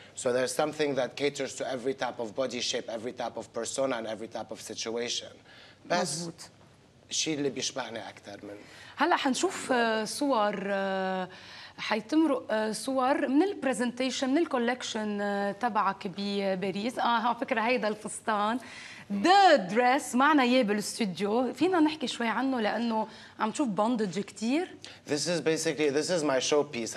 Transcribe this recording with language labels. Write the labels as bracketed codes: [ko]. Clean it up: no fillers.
[en] So there's something that caters to every type of body shape, every type of persona, and every type of situation. [ar] بس الشيء اللي بيشبهني اكثر من هلا حنشوف صور، حيتمروا صور من البرزنتيشن من الكولكشن تبعك بباريس. على فكره هيدا الفستان [en] the dress [ar] معنا اياه بالاستوديو، فينا نحكي شوي عنه لانه عم تشوف بوندج كثير. [en] This is basically this is my show piece.